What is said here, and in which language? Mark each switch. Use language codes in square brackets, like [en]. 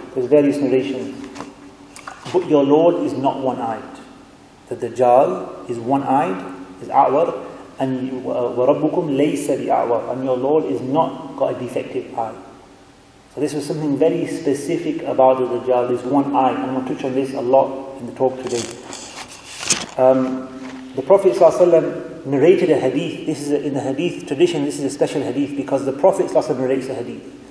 [en] There's various narrations. But your Lord is not one-eyed. The Dajjal is one-eyed, is a'war. [ar] And وَرَبُّكُمْ لَيْسَ بِأَعْوَى. [en] And your Lord is not got a defective eye. So this was something very specific about the Dajjal, this one eye. I'm going to touch on this a lot in the talk today. The Prophet ﷺ narrated a hadith. This is in the hadith tradition, this is a special hadith because the Prophet ﷺ narrates a hadith.